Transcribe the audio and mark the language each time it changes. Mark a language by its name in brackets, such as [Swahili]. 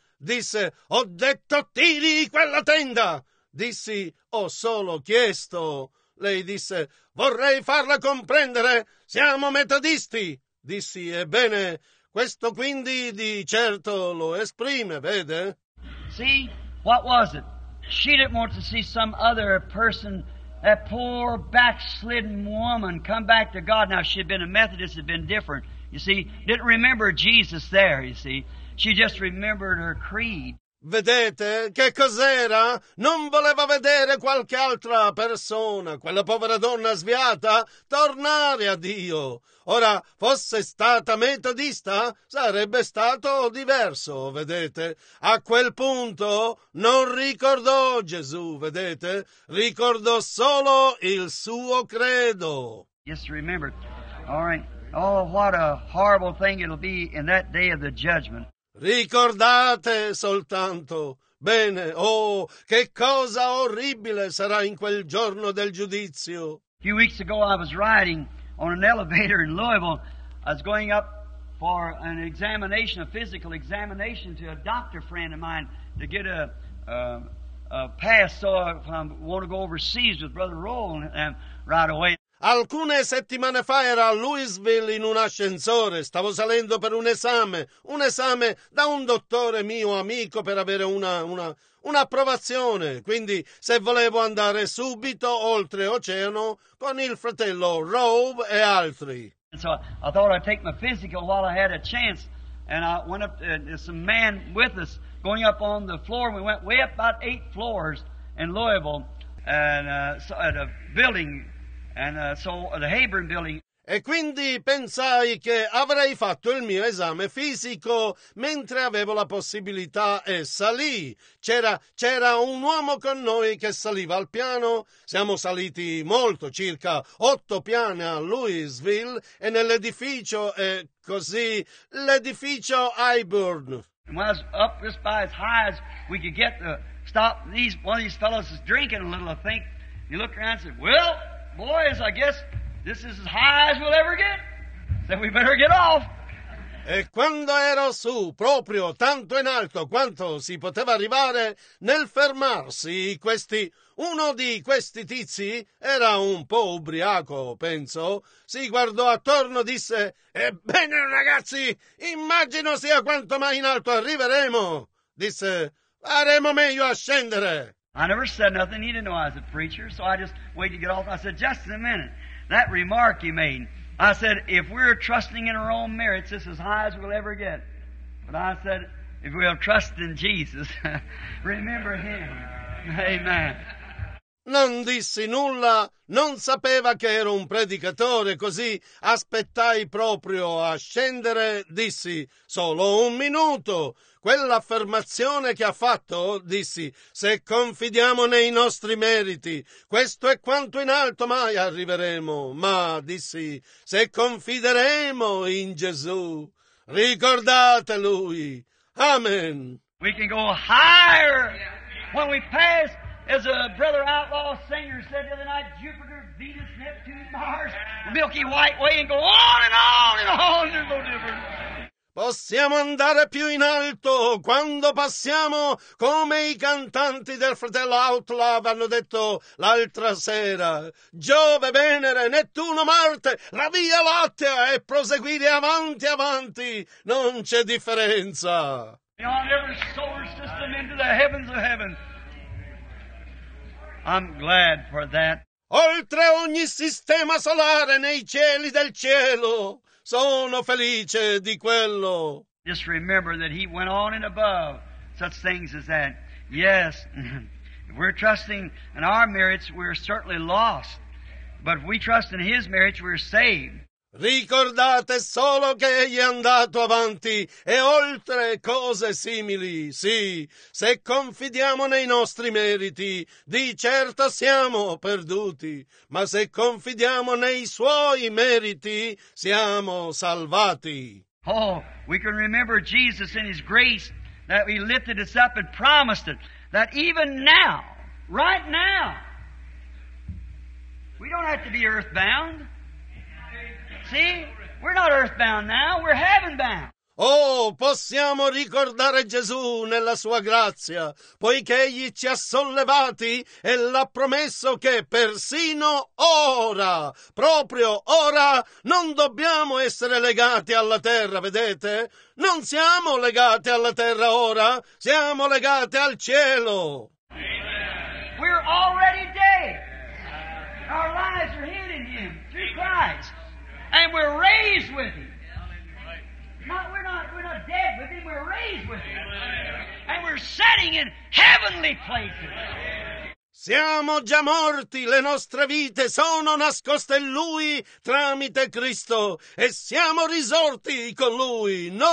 [Italian] Disse, ho detto, tiri quella tenda! Dissi, ho solo chiesto. Lei disse, vorrei farla comprendere, siamo metodisti! Dissi, ebbene, questo quindi di certo lo esprime, vede? [English] See, what was it? She didn't want to see some other person, that poor backslidden woman, come back to God. Now, she'd been a Methodist, had been different. You see, didn't remember Jesus there, you see. She just remembered her creed. [Italian] Vedete che cos'era? Non voleva vedere qualche altra persona, quella povera donna sviata, tornare a Dio. Ora, fosse stata metodista, sarebbe stato diverso, vedete? A quel punto non ricordò Gesù, vedete? Ricordò solo il suo credo. [English] Just remember. All right. Oh, what a horrible thing it'll be in that day of the judgment. [Italian] Ricordate soltanto. Bene, oh, che cosa orribile sarà in quel giorno del giudizio. [English] A few weeks ago I was riding on an elevator in Louisville. I was going up for an examination, a physical examination to a doctor friend of mine to get a pass so if I want to go overseas with Brother Roland right away. [Italian] Alcune settimane fa ero a Louisville in un ascensore, stavo salendo per un esame da un dottore mio amico per avere un'approvazione, quindi se volevo andare subito oltreoceano con il fratello Rove e altri. [English] So I thought I'd take my physical while I had a chance, and I went up to some man with us going up on the floor. We went way up about 8 floors in Louisville and so at a building. And so the Hebron building. [Italian] E quindi pensai che avrei fatto il mio esame fisico mentre avevo la possibilità e salì. C'era un uomo con noi che saliva al piano. Siamo saliti molto, circa 8 piani a Louisville e nell'edificio è così l'edificio Hebron. [English] And when I was up just by as high as we could get to stop these one of these fellows is drinking a little, I think. He looked around and said, well, boys, I guess this is as high as we'll ever get. Then we better get off. [Italian] E quando ero su, proprio tanto in alto quanto si poteva arrivare, nel fermarsi, uno di questi tizi era un po' ubriaco, penso. Si guardò attorno e disse, ebbene ragazzi, immagino sia quanto mai in alto arriveremo. Disse, faremo meglio a scendere. [English] I never said nothing. He didn't know I was a preacher, so I just waited to get off. I said, just a minute. That remark he made, I said, if we're trusting in our own merits, it's as high as we'll ever get. But I said, if we'll trust in Jesus, remember him. Amen. [Italian] Non dissi nulla, non sapeva che ero un predicatore, così aspettai proprio a scendere, dissi, solo un minuto. Quell'affermazione che ha fatto, dissi, se confidiamo nei nostri meriti, questo è quanto in alto mai arriveremo, ma, dissi, se confideremo in Gesù, ricordate Lui. Amen. [English] We can go higher when we pass. As a brother outlaw singer said the other night, Jupiter, Venus, Neptune, Mars, Milky White Way, and go on and on and on, there's no difference. [Italian] Possiamo andare più in alto quando passiamo, come i cantanti del fratello Outlaw hanno detto l'altra sera, Giove, Venere, Nettuno, Marte, la Via Lattea, e proseguire avanti, avanti, non c'è differenza. [English] Beyond every solar system into the heavens of heaven. I'm glad for that. [Italian] Oltre ogni sistema solare nei cieli del cielo. Sono felice di quello. [English] Just remember that he went on and above such things as that. Yes, if we're trusting in our merits, we're certainly lost. But if we trust in his merits, we're saved. [Italian] Ricordate solo che egli è andato avanti e oltre cose simili. Sì, se confidiamo nei nostri meriti, di certo siamo perduti, ma se confidiamo nei suoi meriti, siamo salvati. [English] Oh, we can remember Jesus in his grace that he lifted us up and promised it, that even now, right now, we don't have to be earthbound. See? We're not earthbound now, we're heavenbound. [Italian] Oh, possiamo ricordare Gesù nella sua grazia, poiché egli ci ha sollevati e l'ha promesso che persino ora, proprio ora, non dobbiamo essere legati alla terra, vedete? Non siamo legati alla terra ora, siamo legati al cielo. [English] We're already dead. Our lives are hid in him through Christ. And we're raised with him. We're not dead with him, we're raised with him. And we're sitting in heavenly places. [Italian] Siamo già morti, le nostre vite sono nascoste in Lui tramite Cristo e siamo risorti con Lui.